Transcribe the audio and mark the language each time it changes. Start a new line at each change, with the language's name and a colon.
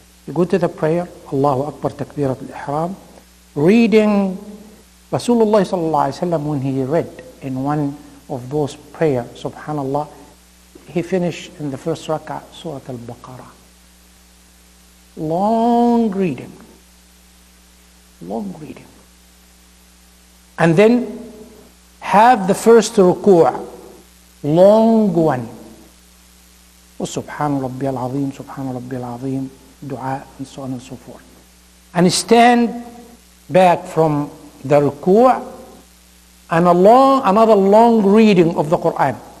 English: You go to the prayer, Allahu Akbar, تكبيرة الإحرام. Reading, Rasulullah صلى الله عليه وسلم, when he read in one of those prayers, subhanAllah, he finished in the first rak'ah, Surah Al-Baqarah. Long reading. And then have the first ruku' long one.
Arabic: وَسُبْحَانُ رَبِّيَ الْعَظِيمُ سُبْحَانُ رَبِّيَ الْعَظِيمُ دُعَاء
English: and so on and so forth. And stand back from the ruku' and another long reading of the Qur'an.